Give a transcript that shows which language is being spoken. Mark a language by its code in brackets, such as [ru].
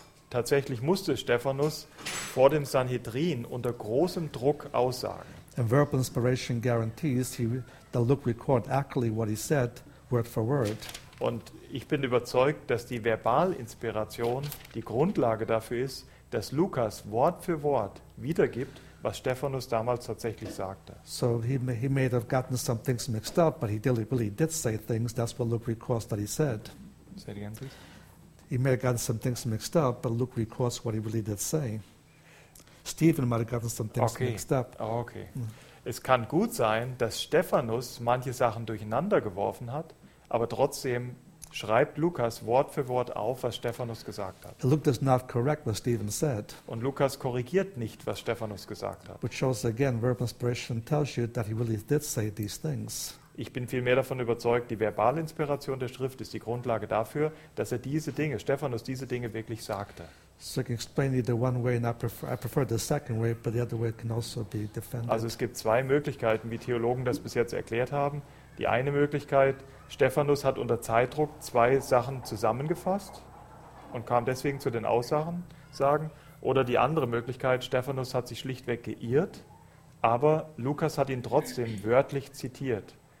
[de] Tatsächlich musste Stephanus vor dem Sanhedrin unter großem Druck aussagen. [en] And verbal inspiration guarantees that Luke records accurately what he said, word for word. [de] Und ich bin überzeugt, dass die Verbalinspiration die Grundlage dafür ist, dass Lukas Wort für Wort wiedergibt, was Stephanus damals tatsächlich sagte. [en] So he may have gotten some things mixed up, but he deliberately did say things. That's what Luke records that he said. Say it again, please. He may have gotten some things mixed up, but Luke records what he really did say. Stephen might have gotten some things mixed up. Okay. [de] Es kann gut sein, dass Stephanus manche Sachen durcheinander geworfen hat, aber trotzdem schreibt Lukas Wort für Wort auf, was Stephanus gesagt hat. [en] Luke does not correct what Stephen said. [de] Und Lukas korrigiert nicht, was Stephanus gesagt hat. [en] Which shows again, verbal inspiration tells you that he really did say these things. [de] Ich bin vielmehr davon überzeugt, die Verbalinspiration der Schrift ist die Grundlage dafür, dass er diese Dinge, Stephanus diese Dinge wirklich sagte. [en] So I can explain either one way, and I prefer the second way, but the other way can also be defended. [de] Also es gibt zwei Möglichkeiten, wie Theologen das bis jetzt erklärt haben. Die eine Möglichkeit, Stephanus hat unter Zeitdruck zwei Sachen zusammengefasst und kam deswegen zu den Aussagen. Oder die andere Möglichkeit, Stephanus hat sich schlichtweg geirrt, aber Lukas hat ihn trotzdem wörtlich zitiert.